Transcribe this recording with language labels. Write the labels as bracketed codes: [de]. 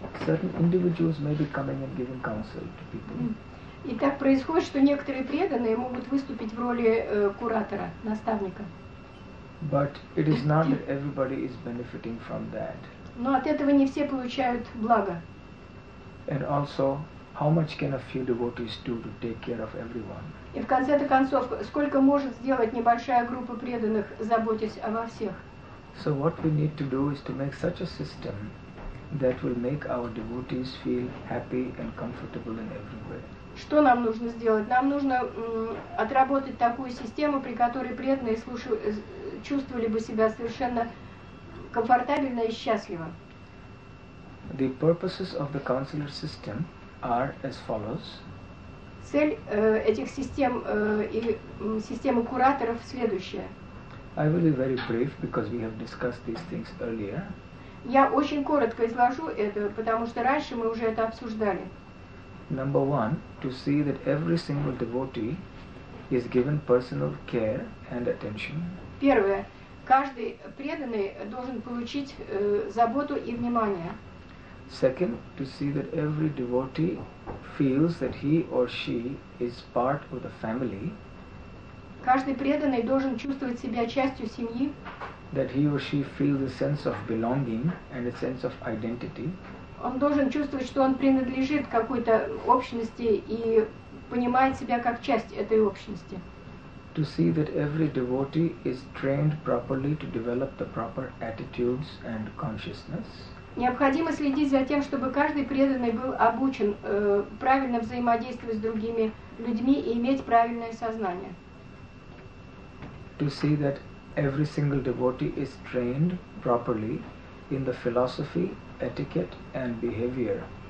[en] Certain individuals may be coming and giving counsel to people. [ru] И так происходит, что некоторые преданные могут выступить в роли куратора, наставника. [en] But it is not that everybody is benefiting from that. [ru] Но от этого не все получают благо. [en] And also, how much can a few devotees do to take care of everyone? [ru] И в конце-то концов, сколько может сделать небольшая группа преданных, заботясь обо всех? [en] So what we need to do is to make such a system that will make our devotees feel happy and comfortable in every way. [ru] Что нам нужно сделать? Нам нужно отработать такую систему, при которой преданные чувствовали бы себя совершенно комфортабельно и счастливо. [en] The purposes of the counselor system are as follows. [ru] Цель этих систем и системы кураторов следующая. [en] I will be very brief because we have discussed these things earlier. [ru] Я очень коротко изложу это, потому что раньше мы уже это обсуждали. [en] Number one, to see that every single devotee is given personal care and attention. [ru] Первое. Каждый преданный должен получить заботу и внимание. [en] Second, to see that every devotee feels that he or she is part of the family. [ru] Каждый преданный должен чувствовать себя частью семьи. [en] That he or she feels a sense of belonging and a sense of identity. [ru] Он должен чувствовать, что он принадлежит какой-то общности и понимает себя как часть этой общности. [en] To see that every devotee is trained properly to develop the proper attitudes and consciousness. [ru] Необходимо следить за тем, чтобы каждый преданный был обучен правильно взаимодействовать с другими людьми и иметь правильное сознание. [en] To see that every single devotee is trained properly in the philosophy, etiquette and behavior.